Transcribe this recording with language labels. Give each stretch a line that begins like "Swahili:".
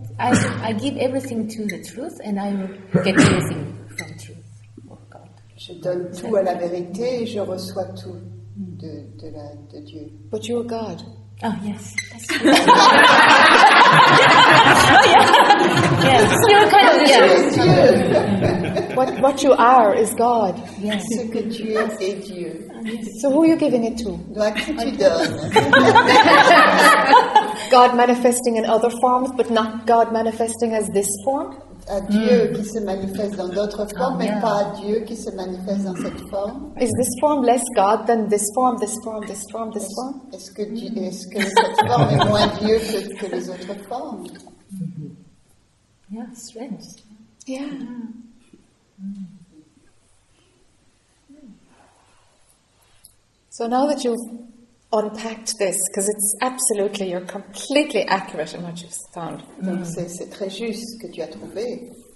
English: I give everything to the truth, and I get everything from truth. Oh God.
French: Je donne tout à la vérité et je reçois tout de Dieu.
English: But you're God. Oh yes. Oh yeah. Yes. You're kind of yes. What you are is God. Yes.
French: Ce que tu es est Dieu.
English: Yes. So who are you giving it to?
French: Like tu donnes.
English: God manifesting in other forms, but not God manifesting as this form?
French: à Dieu qui se manifeste dans d'autres formes, mais pas à Dieu qui se manifeste dans cette forme.
English: Is this form less God than this form, this form, this form, this form?
French: Est-ce que cette forme est moins Dieu que les autres formes?
English: Yeah, strange. So now that you've unpacked this, because it's absolutely, you're completely accurate in what you've found.
French: Donc c'est très juste que tu as trouvé.